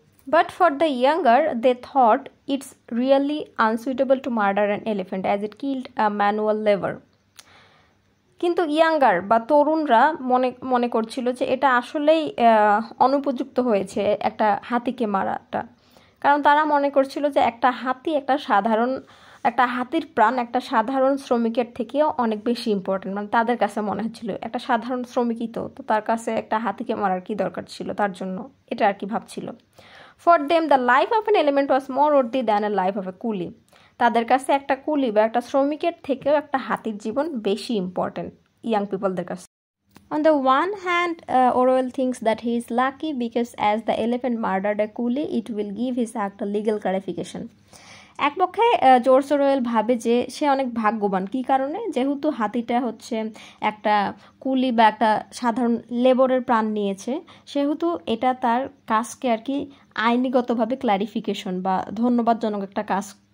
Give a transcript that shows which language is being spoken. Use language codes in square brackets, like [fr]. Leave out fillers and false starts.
[en] but for the younger they thought it's really unsuitable to murder an elephant as it killed a manual labour, [bn] কিন্তু younger বা তরুণরা মনে করছিল যে এটা আসলেই অনুপযুক্ত হয়েছে একটা হাতিকে মারাটা, কারণ তারা মনে করছিল যে একটা হাতি একটা সাধারণ একটা হাতির প্রাণ একটা সাধারণ শ্রমিকের থেকেও অনেক বেশি ইম্পর্টেন্ট, মানে তাদের কাছে মনে হচ্ছিল একটা সাধারণ শ্রমিকই তো তার কাছে একটা হাতিকে মারার কি দরকার ছিল তার জন্য এটা আর কি ভাবছিল। [en] for them the life of an element was more worthy than a life of a coolie, [bn] তাদের কাছে একটা কুলি বা একটা শ্রমিকের থেকেও একটা হাতির জীবন বেশি ইম্পর্টেন্ট ইয়াং পিপলদের কাছে। [en] On the one hand, Orwell thinks that he is lucky because as the elephant murdered a coolie, it will give his act a legal clarification. [bn] এক পক্ষে জর্জ অরওয়েল ভাবে যে সে অনেক ভাগ্যবান, কী কারণে, যেহেতু হাতিটা হচ্ছে একটা কুলি বা একটা সাধারণ লেবরের প্রাণ নিয়েছে সেহেতু এটা তার কাজকে আর কি আইনিগতভাবে ক্লারিফিকেশন বা ধন্যবাদজনক একটা কাজ